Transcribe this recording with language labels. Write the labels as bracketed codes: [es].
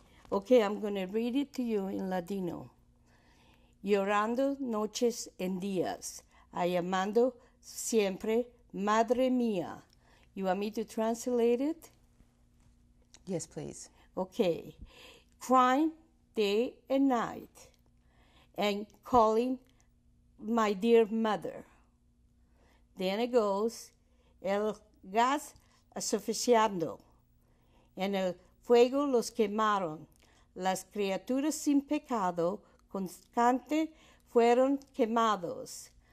[en] Okay, I'm going to read it to you in Ladino. [lad] Llorando noches en días, llamando siempre, madre mía. [en] You want me to translate it? Yes, please. Okay. Crying day and night and calling my dear mother. [lad] Then it goes, el gas asfixiando en el fuego los quemaron. Las criaturas sin pecado constante fueron quemados.